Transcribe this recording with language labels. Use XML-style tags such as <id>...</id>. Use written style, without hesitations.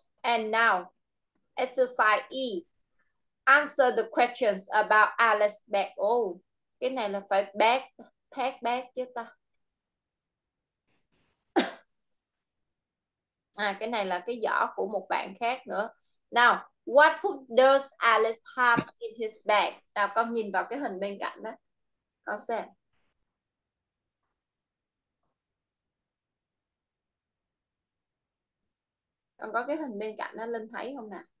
<en>And now, exercise E. Answer the questions about Alice bag.</en> <vi>Oh, cái này là phải bag, pack bag chứ ta. À, cái này là cái giỏ của một bạn khác nữa.</vi> <en>Now, what food does Alice have in his bag?</en> <vi>Nào, con nhìn vào cái hình bên cạnh đó. Con xem. Con có cái hình bên cạnh nó Linh thấy không nè?</vi>